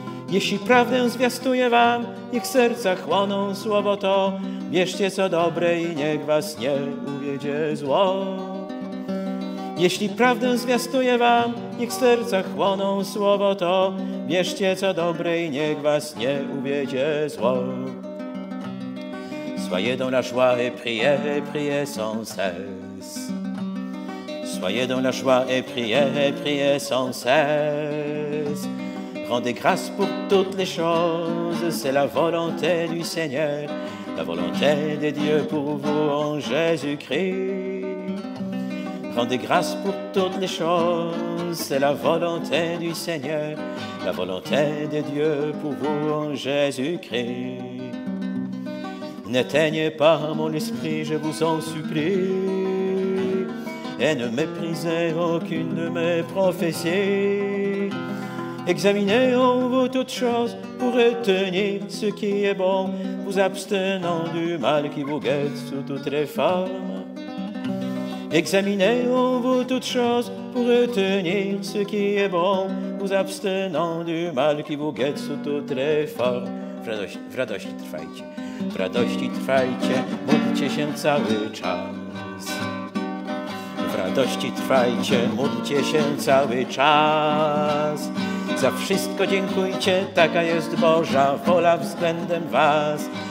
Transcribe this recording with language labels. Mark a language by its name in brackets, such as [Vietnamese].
[Polish] Jeśli prawdę zwiastuję wam, niech serca chłoną słowo to. Bierzcie co dobre i niech was nie uwiedzie zło. Jeśli prawdę zwiastuję wam, niech serca chłoną słowo to. Bierzcie co dobre i niech was nie uwiedzie zło. [French] Soyez dans la joie et priez sans cesse. Soyez dans la joie et priez sans cesse. Rendez grâce pour toutes les choses, c'est la volonté du Seigneur, la volonté de Dieu pour vous en Jésus-Christ. Rendez grâce pour toutes les choses, c'est la volonté du Seigneur, la volonté de Dieu pour vous en Jésus-Christ. N'éteignez pas mon esprit, je vous en supplie, et ne méprisez aucune de mes prophéties. Examinez en vous toutes choses pour retenir ce qui est bon, vous abstenant du mal qui vous guette sous toutes les formes. Examinez en vous toutes choses pour retenir ce qui est bon, vous abstenant du mal qui vous guette sous toutes les formes. [Polish] W radości trwajcie. W radości trwajcie, módlcie się cały czas. W radości trwajcie, módlcie się cały czas. Za wszystko dziękujcie, taka jest Boża wola względem was.